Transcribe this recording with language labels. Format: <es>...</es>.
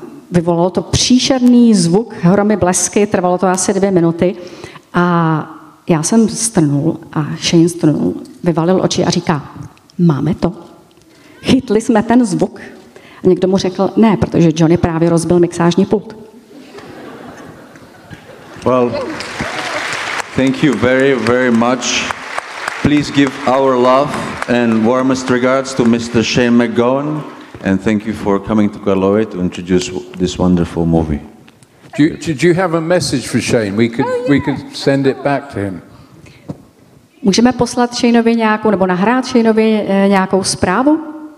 <cs>Vyvolalo to příšerný zvuk, hromy, blesky, trvalo to asi 2 minuty a já jsem strnul a Shane strnul, vyvalil oči a říká, máme to. Chytli jsme ten zvuk. A někdo mu řekl, ne, protože Johnny právě rozbil mixážní pult.</cs> <en>Well, thank you very, very much. Please give our love and warmest regards to Mr. Shane McGowan. And thank you for coming to Kailua to introduce this wonderful movie. Did you have a message for Shane? We could send it back to him.</en> <cs>Můžeme poslat Shaneovi nějakou nebo nahrát Shaneovi nějakou zprávu?</cs>